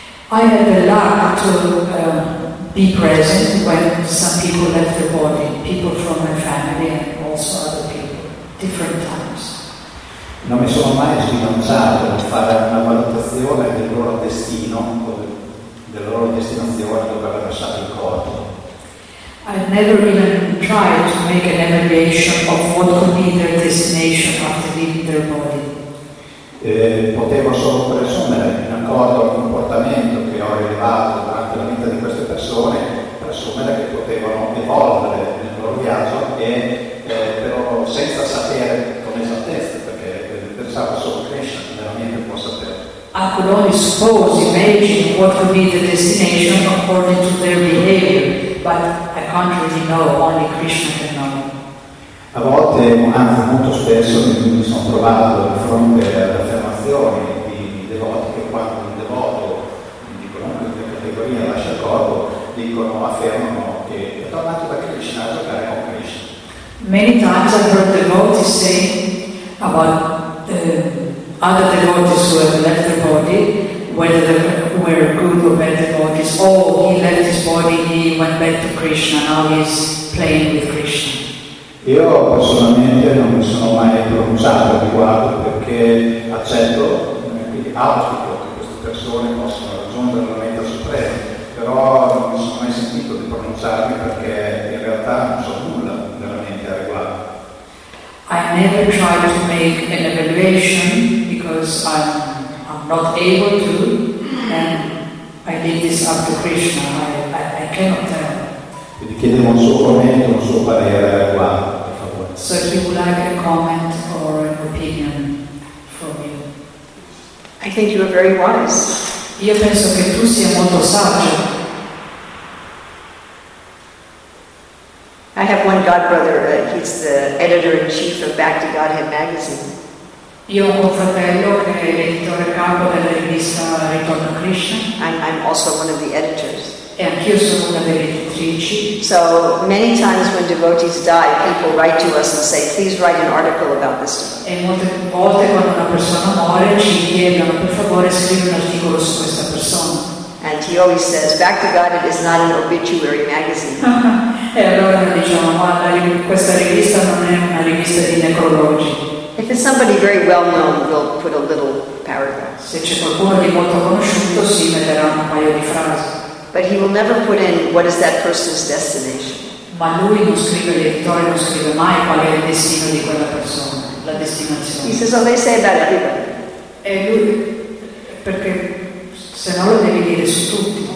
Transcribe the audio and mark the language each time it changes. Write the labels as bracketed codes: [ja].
[en] I had the luck to be present when some people left the body, people from my family and also other people, different times. [it] Non mi sono mai sbilanciato a fare una valutazione del loro destino, della loro destinazione dopo aver lasciato il corpo. [en] I've never even tried to make an evaluation of what could be their destination after leaving their body. [it] Potevo solo presumere, in accordo al comportamento che ho rilevato durante la vita di queste persone, presumere che potevano evolvere nel loro viaggio, e però senza sapere con esattezza, perché pensavo solo crescere, veramente può sapere. [en] I could only suppose, imagine what could be the destination according to their behavior, but I can't really know, only Krishna can know. [it] A volte, anzi molto spesso, mi sono trovato di fronte alle affermazioni di devoti che quando un devoto, quindi comunque di categoria, lascia il corpo, dicono, affermano che è tornato da Krishna a giocare con Krishna. [en] Many times I've heard devotees say about other devotees who have left their body, whether they were good or bad devotees, oh, he left his body, he went back to Krishna, now he's playing with Krishna. [it] Io personalmente non mi sono mai pronunciato riguardo, perché accetto, quindi auspico che queste persone possano raggiungere la meta suprema, però non mi sono mai sentito di pronunciarmi perché in realtà non so nulla veramente a riguardo. [en] I never tried to make an evaluation because I'm not able to, and I leave this up to Krishna. I cannot tell. [it] Quindi chiedevo un suo commento, un suo parere a riguardo. [en] So if you would like a comment or an opinion from you. I think you are very wise. [it] Io penso che tu sia molto saggio. [en] I have one godbrother, he's the editor-in-chief of Bhakti Godhead magazine. [it] Io ho un fratello che è l'editore capo della rivista Ritorno Krishna. [en] I'm also one of the editors. [it] E anch'io sono una delle editrici. [en] So many times when devotees die, people write to us and say, please write an article about this. [it] E molte volte quando una persona muore ci chiedono, per favore scrivi un articolo su questa persona. [en] And he always says, back to God, it is not an obituary magazine. [it] E allora noi diciamo, ma questa rivista non è una rivista di necrologi. [en] If it's somebody very well known, we'll put a little paragraph. [it] Se c'è qualcuno di molto conosciuto, si metterà un paio di frasi. [en] But he will never put in what is that person's destination. [it] Ma lui non scrive, l'editore non scrive mai qual è il destino di quella persona. la destinazione. [en] He says, oh, they say that everybody. [it] E lui, perché se no lo devi dire su tutti.